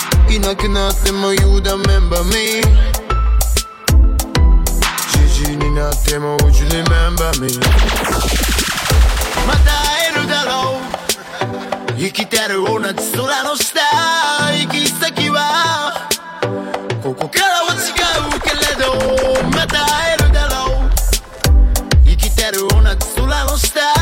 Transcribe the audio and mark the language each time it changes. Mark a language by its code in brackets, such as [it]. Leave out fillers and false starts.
[ja] いなくなっても [en] You remember me. [ja] ジジイになっても [en] Would you remember me. [ja] また会えるだろう生きてる同じ空の下行き先はここからは違うけれどまた会えるだろう生きてる同じ空の下